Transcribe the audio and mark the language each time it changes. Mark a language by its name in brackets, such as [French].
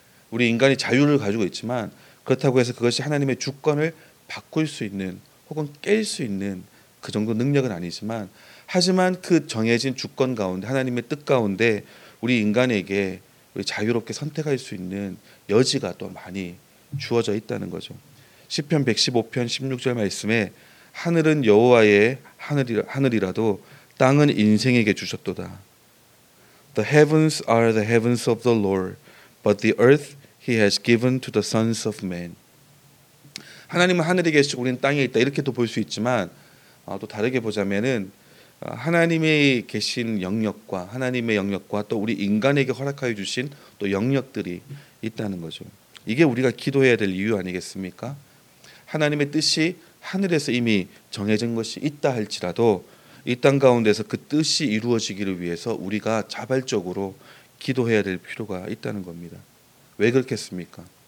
[Korean] 우리 인간이 자유를 가지고 있지만 그렇다고 해서 그것이 하나님의 주권을 바꿀 수 있는 혹은 깰 수 있는 그 정도 능력은 아니지만, 하지만 그 정해진 주권 가운데 하나님의 뜻 가운데 우리 인간에게 우리 자유롭게 선택할 수 있는 여지가 또 많이 주어져 있다는 거죠. 시편 115편 16절 말씀에 하늘은 여호와의 하늘이라도 땅은 인생에게 주셨도다. [English] The heavens are the heavens of the Lord, but the earth he has given to the sons of men. [Korean] 하나님은 하늘에 계시고 우리는 땅에 있다, 이렇게도 볼 수 있지만 또 다르게 보자면은 하나님의 계신 영역과 하나님의 영역과 또 우리 인간에게 허락하여 주신 또 영역들이 있다는 거죠. 이게 우리가 기도해야 될 이유 아니겠습니까? 하나님의 뜻이 하늘에서 이미 정해진 것이 있다 할지라도 이 땅 가운데서 그 뜻이 이루어지기를 위해서 우리가 자발적으로 기도해야 될 필요가 있다는 겁니다. 왜 그렇겠습니까?